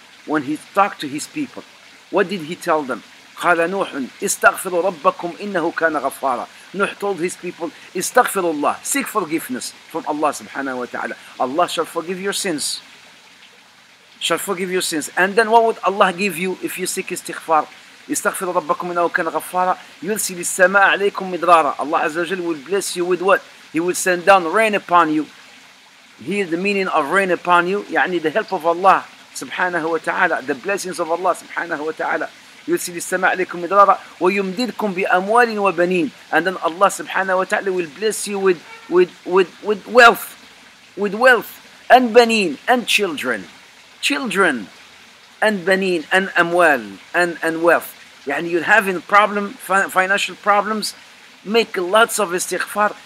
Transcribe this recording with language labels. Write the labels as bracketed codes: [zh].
[en] When he talked to his people, what did he tell them? [ar] قَالَ نُوحٌ إِسْتَغْفِرُ رَبَّكُمْ إِنَّهُ كَانَ غَفَّارًا. [en] Nuh told his people, [ar] استغفر الله, [en] seek forgiveness from Allah subhanahu wa ta'ala. Allah shall forgive your sins. Shall forgive your sins. And then what would Allah give you if you seek istighfar? [ar] استغفر ربكم إنه كان غفارا. يرسل السماء عليكم مدرارا. [en] Allah Azza wa Jal will bless you with what? He will send down rain upon you. Here the meaning of rain upon you, يعني the help of Allah subhanahu wa ta'ala, the blessings of Allah subhanahu wa ta'ala. [ar] يرسل السماء عليكم مدرارا ويمددكم بأموال وبنين. [en] And then Allah subhanahu wa ta'ala will bless you with wealth, with wealth and بنين and children. Children and banin and amwal and wealth. يعني you're having problem, financial problems, make lots of istighfar.